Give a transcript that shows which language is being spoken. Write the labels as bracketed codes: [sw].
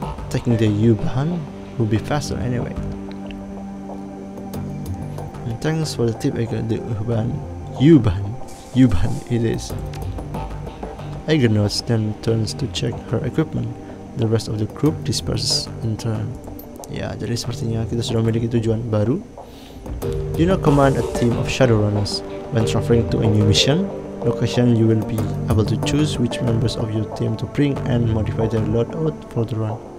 [en] Taking the U-Bahn will be faster anyway. And thanks for the tip, Eger. The U-Bahn it is. Eger notes, then turns to check her equipment. The rest of the group disperses in turn. [id] Yeah, jadi sepertinya kita sudah memiliki tujuan baru. [en] You now command a team of Shadowrunners when traveling to a new mission. Location, you will be able to choose which members of your team to bring and modify their loadout for the run.